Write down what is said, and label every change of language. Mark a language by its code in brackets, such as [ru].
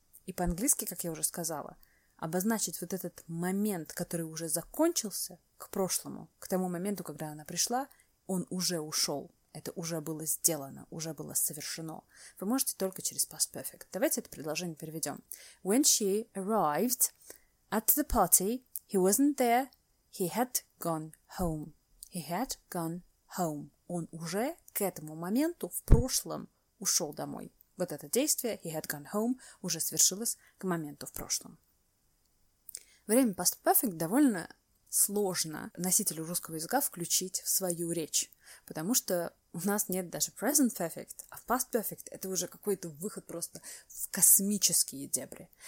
[ru] И по-английски, как я уже сказала, обозначить вот этот момент, который уже закончился, к прошлому, к тому моменту, когда она пришла, он уже ушел. Это уже было сделано, уже было совершено. Вы можете только через past perfect. Давайте это предложение переведем. [en] When she arrived at the party, he wasn't there, he had gone home. He had gone home. [ru] Он уже к этому моменту в прошлом ушел домой. Вот это действие, [en] he had gone home, [ru] уже свершилось к моменту в прошлом. Время past perfect довольно сложно носителю русского языка включить в свою речь, потому что у нас нет даже present perfect, а past perfect — это уже какой-то выход просто в космические дебри.